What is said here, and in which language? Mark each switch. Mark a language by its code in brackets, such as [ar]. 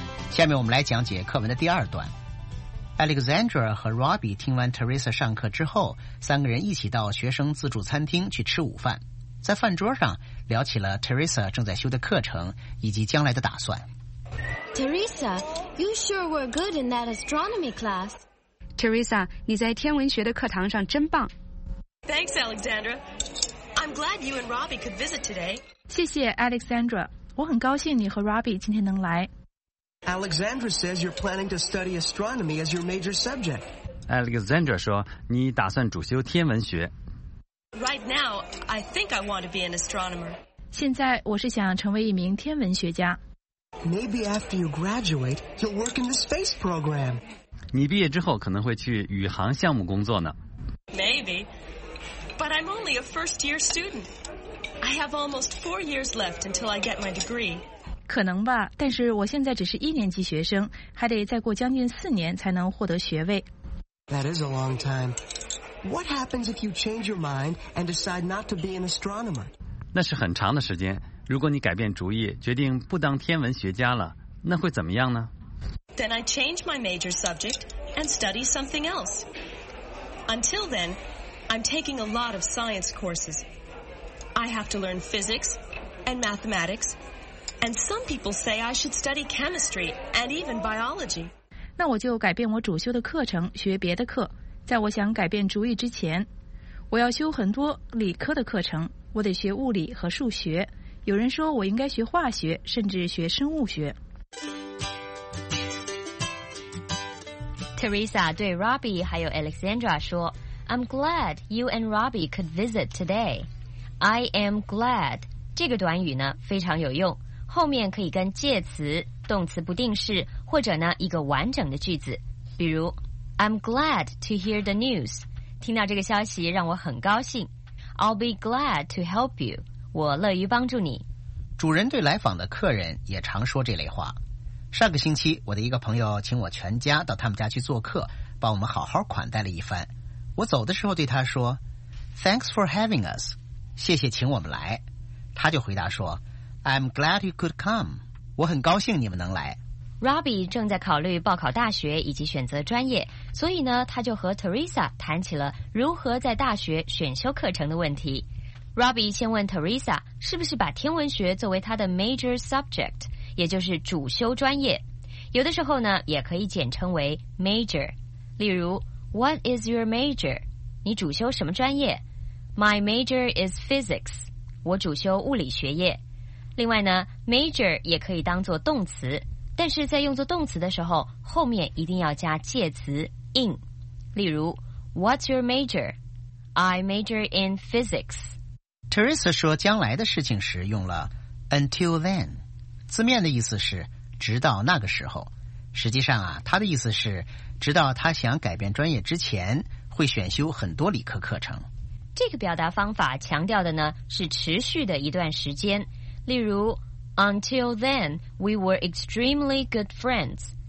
[zh] 下面我们来讲解课文的第二段。Alexandra 和 Robbie 听完 Teresa 上课之后，三个人一起到学生自助餐厅去吃午饭，在饭桌上聊起了 Teresa 正在修的课程以及将来的打算。 [en] Teresa, you sure were good in that astronomy class. [zh] Teresa, 你在天文学的课堂上真棒。 [en] Thanks, Alexandra. I'm glad you and Robbie could visit today. [zh] 谢谢 Alexandra, 我很高兴你和 Robbie 今天能来。 [en] Alexandra says you're planning to study astronomy as your major subject. [zh] Alexandra 说你打算主修天文学。 [en] Right now, I think I want to be an astronomer. [zh] 现在我是想成为一名天文学家。 [en] Maybe after you graduate, you'll work in the space program. [zh] 你毕业之后可能会去宇航项目工作呢。 [en] Maybe, but I'm only a first-year student. I have almost 4 years left until I get my degree. [zh] 可能吧，但是我现在只是一年级学生，还得再过将近4年才能获得学位。 [en] That is a long time. What happens if you change your mind and decide not to be an astronomer? [zh] 那是很长的时间。如果你改变主意，决定不当天文学家了，那会怎么样呢？ [en] Then I change my major subject and study something else. Until then, I'm taking a lot of science courses. I have to learn physics and mathematics. And some people say I should study chemistry and even biology. [zh] 那我就改变我主修的课程，学别的课。在我想改变主意之前，我要修很多理科的课程，我得学物理和数学。有人说我应该学化学，甚至学生物学。 Teresa 对 Robbie 还有 Alexandra 说 [en] I'm glad you and Robbie could visit today. I am glad [zh] 这个短语呢非常有用，后面可以跟介词动词不定式，或者呢一个完整的句子，比如 [en] I'm glad to hear the news， [zh] 听到这个消息让我很高兴。 [en] I'll be glad to help you， [zh] 我乐于帮助你。主人对来访的客人也常说这类话。上个星期我的一个朋友请我全家到他们家去做客，把我们好好款待了一番。我走的时候对他说 [en] Thanks for having us， [zh] 谢谢请我们来。他就回答说 [en] I'm glad you could come， [zh] 我很高兴你们能来。 Robbie 正在考虑报考大学以及选择专业，所以呢他就和 Teresa 谈起了如何在大学选修课程的问题。 Robbie 先问 Teresa 是不是把天文学作为他的 [en] major subject， [zh] 也就是主修专业，有的时候呢也可以简称为 major。例如 [en] What is your major？ [zh] 你主修什么专业？ [en] My major is physics， [zh] 我主修物理学业。另外呢 ，major 也可以当作动词，但是在用作动词的时候，后面一定要加介词 in。例如 [en] ，What's your major？ I major in physics。 [zh] Teresa 说将来的事情时用了 [en] until then， [zh] 字面的意思是直到那个时候。实际上啊，他的意思是直到他想改变专业之前，会选修很多理科课程。这个表达方法强调的呢是持续的一段时间。例如 [en] Until then, we were extremely good friends.